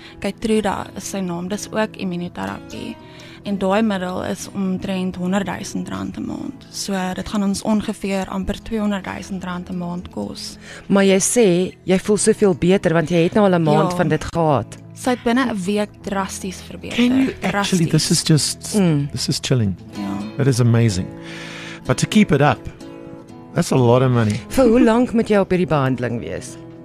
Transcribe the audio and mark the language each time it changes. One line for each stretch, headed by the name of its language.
Afrikaans: Keytruda is sy naam, dis ook immunoterapie. En daai middel is omtrent R100,000 'n maand. So dit gaan ons ongeveer amper R200,000 'n maand kos. Maar jy sê, jy voel soveel beter, want jy het nou al 'n maand van dit gehad. Sy het binne 'n week drasties verbeter.
English: Can you actually, this is just, this is chilling.
Afrikaans: Ja.
English: That is amazing. But to keep it up, that's a lot of money. For how long
Afrikaans: moet jy op hierdie behandeling wees?